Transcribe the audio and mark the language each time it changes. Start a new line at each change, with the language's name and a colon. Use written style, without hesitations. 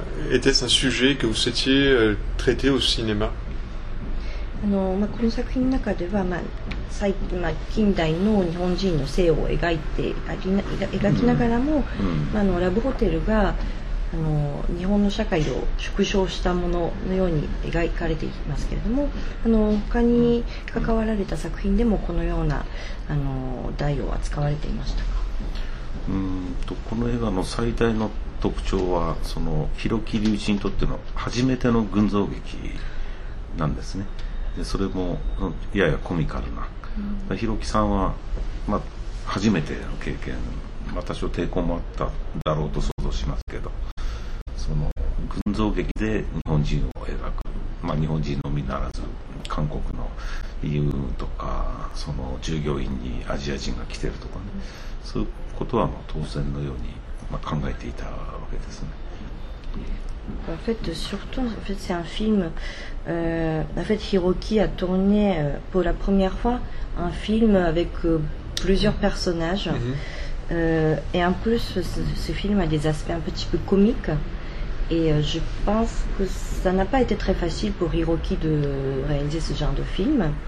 French: Était-ce un sujet que vous souhaitiez traiter au cinéma ?
Japanese: この作品の中では、近代の日本人の性を描きながらも、ラブホテルが日本の社会を縮小したもののように描かれていますけれども、他に関わられた作品でもこのような題を扱われていましたか？この映画の最大の特徴は、その弘樹隆一にとっての初めての群像劇なんですね。でそれもややコミカルな、ヒロキさんは、初めての経験、多少抵抗もあっただろうと想像しますけど、その群像劇で日本人を描く、日本人のみならず韓国の友とか、その従業員にアジア人が来てるとかね、そういうことは当然のように、考えていたわけですね。
French: En fait, surtout, en fait, c'est un film. En fait, Hiroki a tourné pour la première fois un film avec plusieurs personnages. Mm-hmm. Et en plus, ce film a des aspects un petit peu comiques. Et je pense que ça n'a pas été très facile pour Hiroki de réaliser ce genre de film.